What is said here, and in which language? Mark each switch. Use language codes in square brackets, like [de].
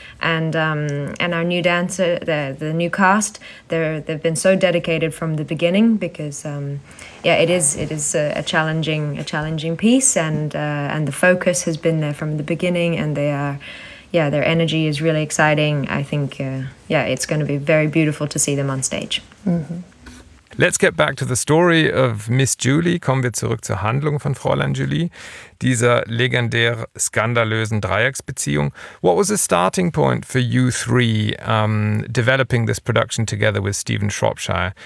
[en] And our new dancer, the new cast, they've been so dedicated from the beginning because, it is a challenging piece, and the focus has been there from the beginning, and their energy is really exciting. I think, it's going to be very beautiful to see them on stage. Mm-hmm. Let's get back to the story of Miss Julie. [de] Kommen wir zurück zur Handlung von Fräulein Julie, dieser legendär skandalösen Dreiecksbeziehung. [en] What was the starting point for you three developing this production together with Stephen Shropshire?